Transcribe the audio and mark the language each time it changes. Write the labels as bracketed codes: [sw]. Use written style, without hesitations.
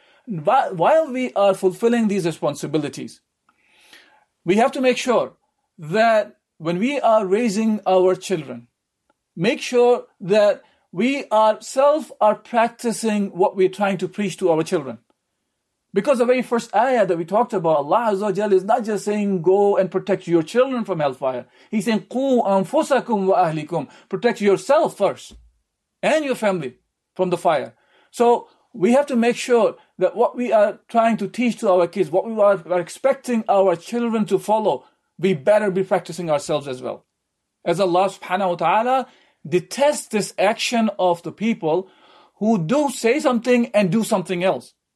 [en] While we are fulfilling these responsibilities, we have to make sure that when we are raising our children, make sure that we ourselves are practicing what we're trying to preach to our children. Because the very first ayah that we talked about, Allah Azza wa Jal is not just saying, go and protect your children from hellfire. He's saying, [ar] قُوْ أَنفُسَكُمْ وَأَهْلِكُمْ. [en] Protect yourself first and your family from the fire. So we have to make sure that what we are trying to teach to our kids, what we are expecting our children to follow, we better be practicing ourselves as well. as Allah subhanahu wa ta'ala detests this action of the people who do say something and do something else.